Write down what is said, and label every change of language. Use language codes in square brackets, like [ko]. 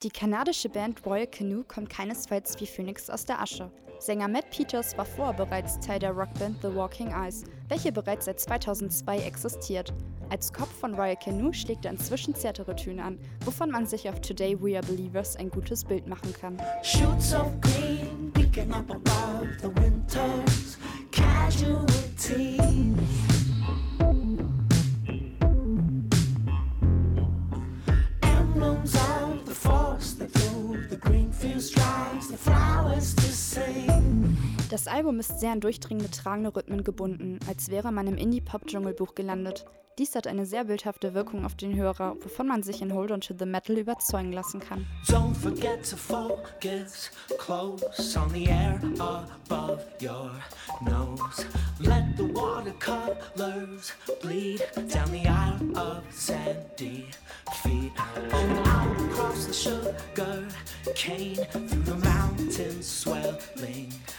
[de] Die kanadische Band Royal Canoe kommt keinesfalls wie Phoenix aus der Asche. Sänger Matt Peters war vorher bereits Teil der Rockband The Walking Eyes, welche bereits seit 2002 existiert. Als Kopf von Royal Canoe schlägt er inzwischen zärtere Töne an, wovon man sich auf Today We Are Believers ein gutes Bild machen kann. [en] Shoots of green, picking up above the winter's casualties. Emblems of the forest that glow, the green fields dry, the flowers to sing. [de] Das Album ist sehr an durchdringende, tragende Rhythmen gebunden, als wäre man im Indie-Pop-Dschungelbuch gelandet. Dies hat eine sehr bildhafte Wirkung auf den Hörer, wovon man sich in Hold On To The Metal überzeugen lassen kann. [en] Don't forget to focus close on the air above your nose. Let the watercolors bleed down the aisle of sandy feet. And out across the sugar cane, through the mountain swelling.